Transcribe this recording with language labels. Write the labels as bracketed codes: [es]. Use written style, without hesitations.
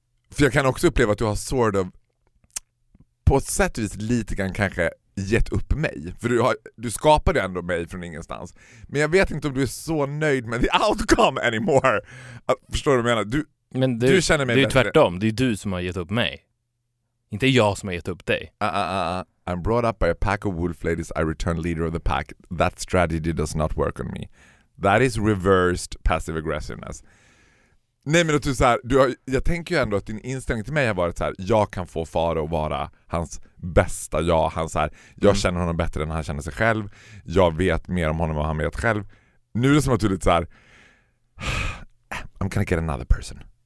[sv] För jag kan också uppleva att du har [en] sort of, [sv] på ett sätt och vis lite grann kanske gett upp mig. För du skapade ändå mig från ingenstans. Men jag vet inte om du är så nöjd med [en] the outcome anymore. [sv] Förstår du vad jag menar? Du känner mig bättre. Det är ju tvärtom. Det är du som har gett upp mig. Inte jag som har gett upp dig. [en] I'm brought up by a pack of wolf ladies. I return leader of the pack. That strategy does not work on me. That is reversed passive aggressiveness. [sv] Nej, men att du, så här, jag tänker ju ändå att din inställning till mig har varit så här: jag kan få fara och vara hans bästa jag. Han, så här, jag känner honom bättre än han känner sig själv. Jag vet mer om honom än vad han vet själv. Nu är det som att du är lite så här: [en] I'm gonna get another person.